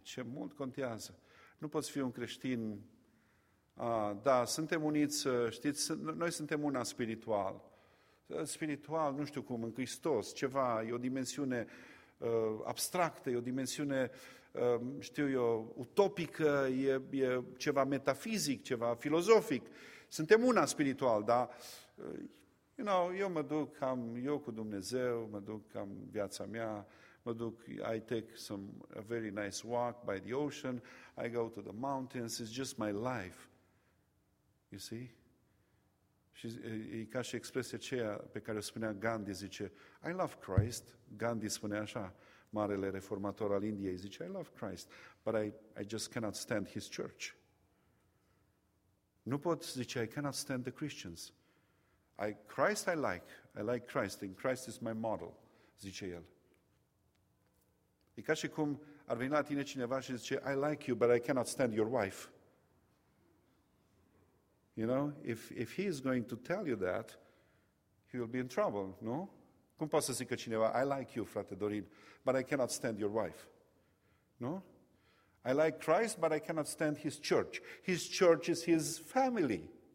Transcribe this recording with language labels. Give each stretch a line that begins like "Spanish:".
Romanian: Ce mult contează? Nu poți fi un creștin, suntem uniți, știți, noi suntem una spiritual. Spiritual, nu știu cum, în Hristos, ceva, e o dimensiune abstractă, e o dimensiune, știu eu, utopică, e ceva metafizic, ceva filozofic. Suntem una spiritual, dar,
English: you know,
Romanian: eu mă duc cam eu cu Dumnezeu, mă duc
English: cam viața mea, mă duc, I take a very nice walk by the ocean, I go to the mountains, it's just my life. You see?
Romanian: Și e ca și expresia aceea pe care o spunea Gandhi, zice,
English: I love Christ.
Romanian: Gandhi spunea așa, marele reformator al Indiei, zice,
English: I love Christ, but I just cannot stand his church.
Romanian: Nu pot, zice,
English: I cannot stand the Christians. I like Christ, and Christ is my model,
Romanian: zice el. E ca și cum ar veni la tine cineva și zice,
English: I like you, but I cannot stand your wife. You know, if he is going to tell you that, he will be in trouble, nu?
Romanian: Cum poate să zică cineva,
English: I like you, frate Dorin, but I cannot stand your wife. Nu? I like Christ, but I cannot stand his church. His church is his family.